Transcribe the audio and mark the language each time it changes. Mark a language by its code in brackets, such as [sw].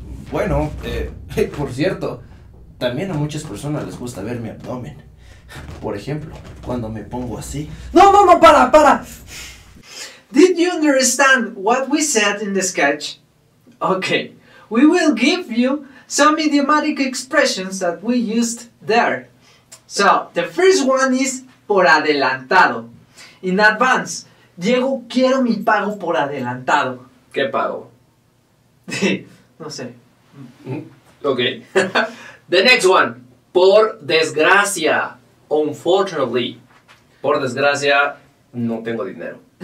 [es] Bueno, por cierto, también a muchas personas les gusta ver mi abdomen. Por ejemplo, cuando me pongo así. ¡No, no, no! ¡Para, para! [en] Did you understand what we said in the sketch? Okay, we will give you some idiomatic expressions that we used there. So, the first one is por adelantado. In advance, [es] Diego, quiero mi pago por adelantado. ¿Qué pago? No sé. [en] Okay. The next one. Por desgracia. [es] Unfortunately. Por desgracia, no tengo dinero.